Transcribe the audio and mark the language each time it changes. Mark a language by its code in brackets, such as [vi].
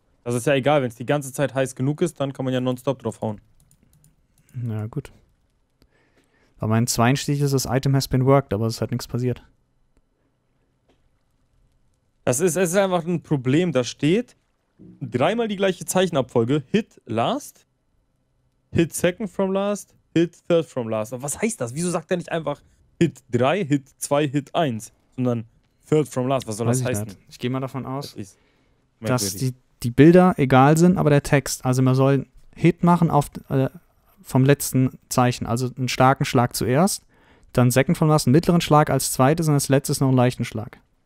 [de] Das ist ja egal, wenn es die ganze Zeit heiß genug ist, dann kann man ja nonstop draufhauen. Na gut. Bei meinem zweiten Stich ist das [en] Item has been worked, [de] aber es hat nichts passiert. Es ist einfach ein Problem, da steht dreimal die gleiche Zeichenabfolge. [en] Hit last, hit second from last, hit third from last. [de] Aber was heißt das? Wieso sagt er nicht einfach [en] hit 3, hit 2, hit 1, [de] sondern [en] third from last? [de] Was soll das heißen? Ich gehe mal davon aus, dass die Bilder egal sind, aber der Text. Also man soll hit machen auf vom letzten Zeichen. Also einen starken Schlag zuerst, dann Second von Last, einen mittleren Schlag als zweites und als letztes noch einen leichten Schlag.